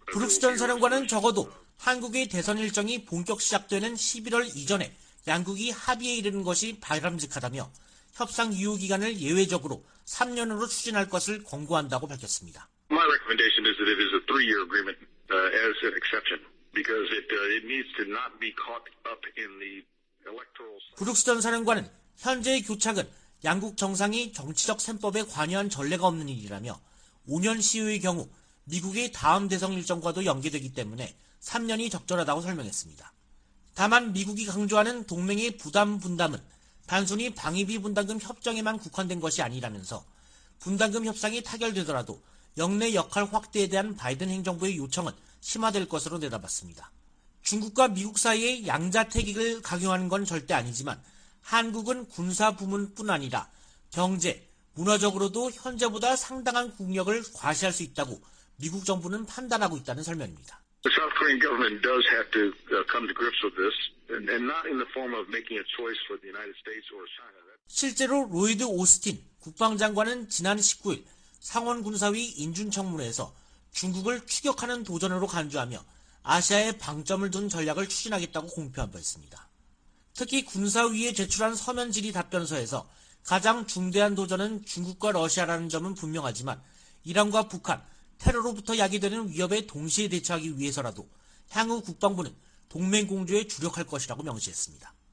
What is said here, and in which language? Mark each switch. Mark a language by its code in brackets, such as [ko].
[ko] 브룩스 전 사령관은 적어도 한국의 대선 일정이 본격 시작되는 11월 이전에 양국이 합의에 이르는 것이 바람직하다며 협상 유효 기간을 예외적으로 3년으로 추진할 것을 권고한다고 밝혔습니다. [en] My recommendation is that it is a three-year agreement. As an exception, because it needs to not be caught up in the electoral. [ko] 브룩스 전 사령관은 현재의 교착은 양국 정상이 정치적 셈법에 관여한 전례가 없는 일이라며 5년 시효의 경우 미국의 다음 대선 일정과도 연계되기 때문에 3년이 적절하다고 설명했습니다. 다만 미국이 강조하는 동맹의 부담 분담은 단순히 방위비 분담금 협정에만 국한된 것이 아니라면서 분담금 협상이 타결되더라도 역내 역할 확대에 대한 바이든 행정부의 요청은 심화될 것으로 내다봤습니다. 중국과 미국 사이의 양자택익을 강요하는 건 절대 아니지만 한국은 군사 부문뿐 아니라 경제, 문화적으로도 현재보다 상당한 국력을 과시할 수 있다고 미국 정부는 판단하고 있다는 설명입니다. [en] The South Korean government does have to come to grips with this and not in the form of making a choice for the United States or China. [ko] 실제로 로이드 오스틴 국방장관은 지난 19일 상원 군사위 인준청문회에서 중국을 추격하는 도전으로 간주하며 아시아에 방점을 둔 전략을 추진하겠다고 공표한 바 있습니다. 특히 군사위에 제출한 서면 질의 답변서에서 가장 중대한 도전은 중국과 러시아라는 점은 분명하지만 이란과 북한, 테러로부터 야기되는 위협에 동시에 대처하기 위해서라도 향후 국방부는 동맹 공조에 주력할 것이라고 명시했습니다.